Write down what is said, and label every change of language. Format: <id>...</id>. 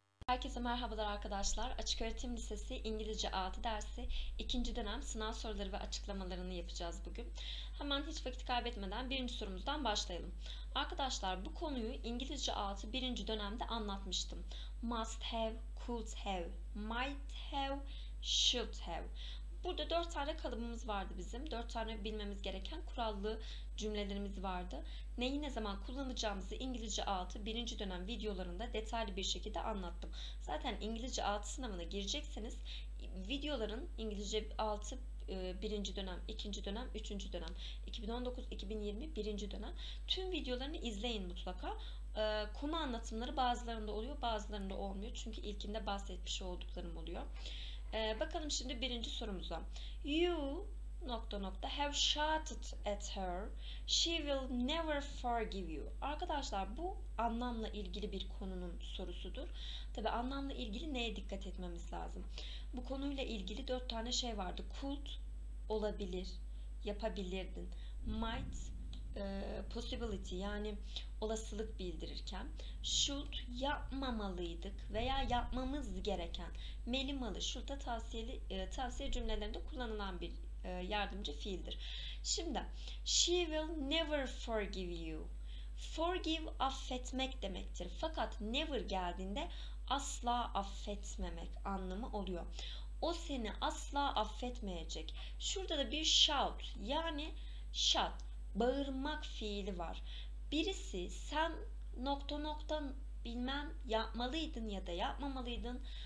<tr>Herkese merhabalar arkadaşlar. Açık Öğretim Lisesi İngilizce A'da dersi 2. dönem sınav soruları ve açıklamalarını yapacağız bugün. Hemen hiç vakit kaybetmeden birinci sorumuzdan başlayalım. Arkadaşlar bu konuyu İngilizce A'da 1. dönemde anlatmıştım.</tr> <en>Must have, could have, might have, should have.</en> <tr>Burada 4 tane kalıbımız vardı bizim. 4 tane bilmemiz gereken kurallı cümlelerimiz vardı. Neyi ne zaman kullanacağımızı İngilizce A'da 1. dönem videolarında detaylı bir şekilde anlattım. Zaten İngilizce A'da sınavına girecekseniz videoların İngilizce A'da 1. dönem, 2. dönem, 3. dönem, 2019-2020 1. dönem tüm videolarını izleyin mutlaka. Konu anlatımları bazılarında oluyor, bazılarında olmuyor. Çünkü ilkinde bahsetmiş olduklarım oluyor. Bakalım şimdi birinci sorumuza.</tr> <en>You</en> <tr>nokta nokta</tr> <en>have shouted at her. She will never forgive you.</en> <tr>Arkadaşlar bu anlamla ilgili bir konunun sorusudur. Tabi anlamla ilgili neye dikkat etmemiz lazım? Bu konuyla ilgili 4 tane şey vardı. Could olabilir, yapabilirdin. Might possibility yani olasılık bildirirken should yapmamalıydık veya yapmamız gereken melimalı should'a tavsiye cümlelerinde kullanılan bir yardımcı fiildir.</tr> <en>Şimdi she will never forgive you.</en> <tr>Forgive affetmek demektir. Fakat never geldiğinde asla affetmemek anlamı oluyor. O seni asla affetmeyecek. Şurada da bir shout yani shout bağırmak fiili var. Birisi sen nokta nokta bilmem yapmalıydın ya da yapmamalıydın.</tr>